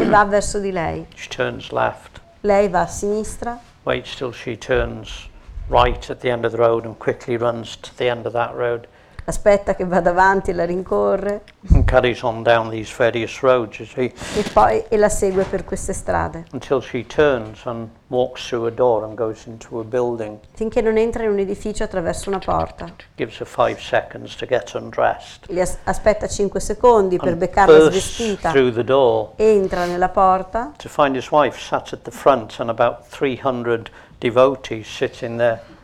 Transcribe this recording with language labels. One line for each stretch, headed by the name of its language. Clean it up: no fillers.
Italian: E va verso di lei.
English: She turns left.
Italian: Lei va a sinistra.
English: Waits till she turns right at the end of the road and quickly runs to the end of that road.
Italian: Aspetta che vada avanti e la rincorre.
English: And carries on down these various roads, you see.
Italian: E poi e la segue per queste strade.
English: Until she turns and walks through a door and goes into a building.
Italian: Finché non entra in un edificio attraverso una porta.
English: Gives her 5 seconds to get undressed.
Italian: Le aspetta 5 secondi per beccarla svestita.
English: Through the door.
Italian: Entra nella porta.
English: To find his wife sat at the front and about 300 devotees sitting there.